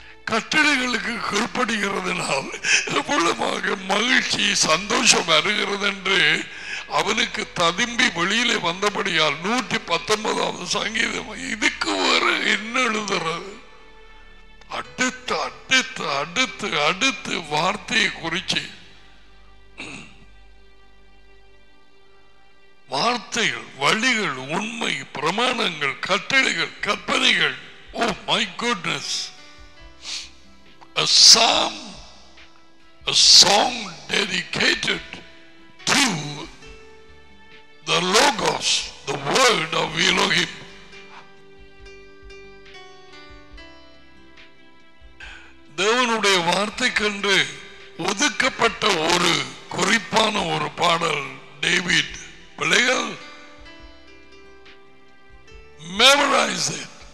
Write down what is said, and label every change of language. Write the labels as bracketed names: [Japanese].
[Tamil] கட்டளைகளுக்கு கீழ்ப்படுகிறதுனால் எவ்வளவாக மகிழ்ச்சி சந்தோஷம் வருகிறது என்று அவனுக்கு ததும்பி வெளியிலே வந்தபடியால் 119வது சங்கீதம் இதுக்கு ஒரு என்ன எழுதுறது? அடுத்து அடுத்து அடுத்து அடுத்து வார்த்தையை குறிச்சு வார்த்தைகள் வழிகள் உண்மை பிரமாணங்கள் கட்டளைகள் கற்பனைகள். [English] Oh my goodness, a psalm, a song dedicated to the logos, the word of Elohim. [Tamil] தேவனுடைய வார்த்தை கண்டு ஒதுக்கப்பட்ட ஒரு குறிப்பான ஒரு பாடல் டேவிட் பிள்ளைகள் [English] memorize it.